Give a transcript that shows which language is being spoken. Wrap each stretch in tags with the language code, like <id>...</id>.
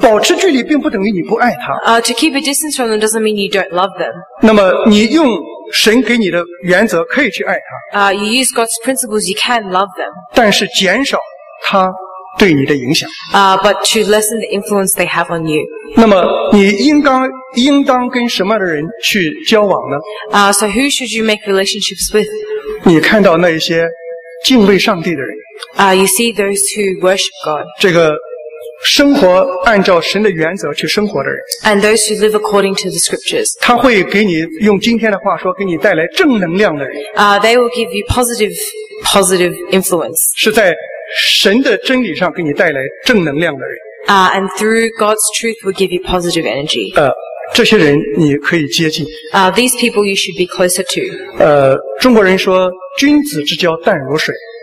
<zh>保持距离并不等于你不爱他。</zh> <en>To keep a distance from them doesn't mean you don't love them.</en> <zh>那么你用神给你的原则可以去爱他。</zh> <en>You use God's principles, you can love them.</en> <zh>但是减少他对你的影响。</zh> <en>But to lessen the influence they have on you.</en> <zh>那么你应当跟什么样的人去交往呢？</zh> <en>So who should you make relationships with?</en> <zh>你看到那些敬畏上帝的人。</zh> <en>You see those who worship God.</en> <zh>这个生活按照神的原则去生活的人。</zh> <en>And those who live according to the scriptures.</en> <zh>他会给你用今天的话说给你带来正能量的人。</zh> <en>They will give you positive influence.</en> <zh>是在神的真理上给你带来正能量的人。</zh> <en>And through God's truth will give you positive energy.</en> <zh>这些人你可以接近。</zh> <en>These people you should be closer to.</en> <zh>中国人说君子之交淡如水。</zh>